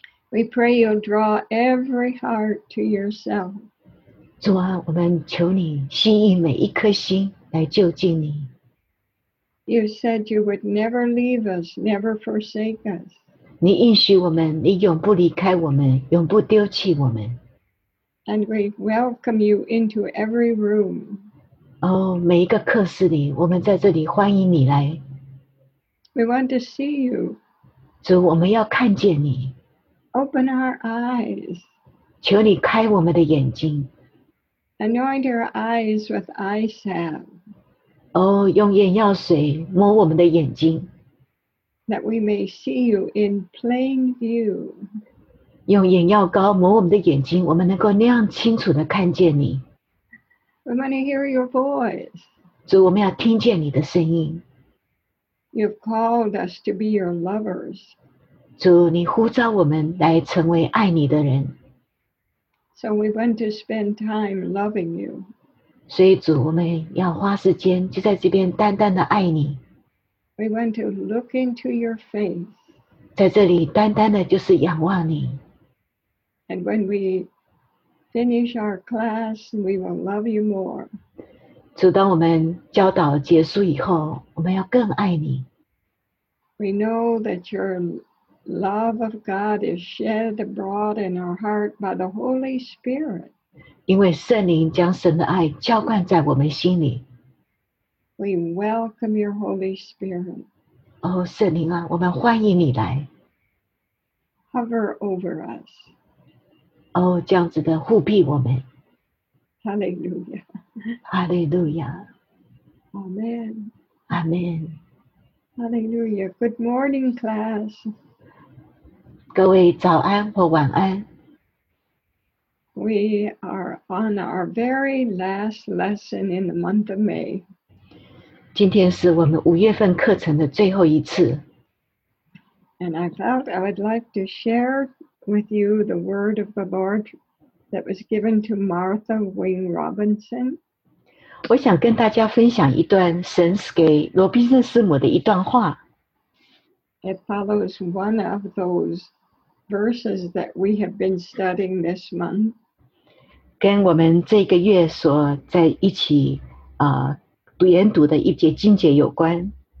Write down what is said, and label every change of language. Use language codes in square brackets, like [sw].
[en] We pray you'll draw every heart to yourself。 [zh] 主啊，我们求你吸引每一颗心来就近你。 [en] You said you would never leave us, never forsake us. [zh] 你应许我们，你永不离开我们，永不丢弃我们。 [en] And we welcome you into every room. [zh] 哦，每一个课室里，我们在这里欢迎你来。 [en] We want to see you. [zh] 主，我们要看见你。 [en] Open our eyes. [zh] 求你开我们的眼睛。 [en] Anoint our eyes with eye salve. [zh] 哦、oh, ，用眼药水摸我们的眼睛 [en] ，that we may see you in plain view。 [zh] 用眼药膏摸我们的眼睛，我们能够那样清楚的看见你。 [en] We want to hear your voice。 [zh] 主，我们要听见你的声音。 [en] You've called us to be your lovers。 [zh] 主，你呼召我们来成为爱你的人。 [en] So we want to spend time loving you。 [zh] 所以主，我们要花时间就在这边单单的爱你。 [en] We want to look into your face. [zh] 在这里单单的就是仰望你。 [en] And when we finish our class, we will love you more. [zh] 主，当我们教导结束以后，我们要更爱你。 [en] We know that your love of God is shed abroad in our heart by the Holy Spirit. [zh] 因为圣灵将神的爱浇灌在我们心里。 [en] We welcome your Holy Spirit. [zh] 哦，圣灵啊，我们欢迎你来。 [en] Hover over us. [zh] 哦，这样子的护庇我们。 [en] Hallelujah. Hallelujah. Amen. Amen. Hallelujah. Good morning, class. [zh] 各位早安或晚安。 [en] We are on our very last lesson in the month of May. [zh] 今天是我们五月份课程的最后一次。 [en] And I felt I would like to share with you the word of the Lord that was given to Martha Wing Robinson. [zh] 我想跟大家分享一段神给罗宾逊师母的一段话。 [en] It follows one of those verses that we have been studying this month. [zh] 跟我们这个月所在一起研读的一节经节有关。